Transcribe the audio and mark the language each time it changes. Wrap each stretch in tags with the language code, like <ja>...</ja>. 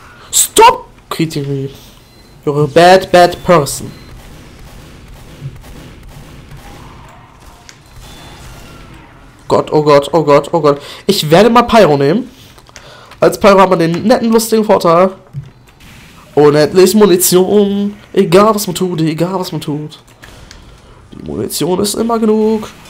<en>Stop greeting me. You're a bad, bad person.</en> <de>Gott, oh Gott, oh Gott, oh Gott. Ich werde mal Pyro nehmen. Als Pyro haben wir den netten, lustigen Vorteil. Unendlich Munition. Egal, was man tut, egal, was man tut. Die Munition ist immer genug.</de>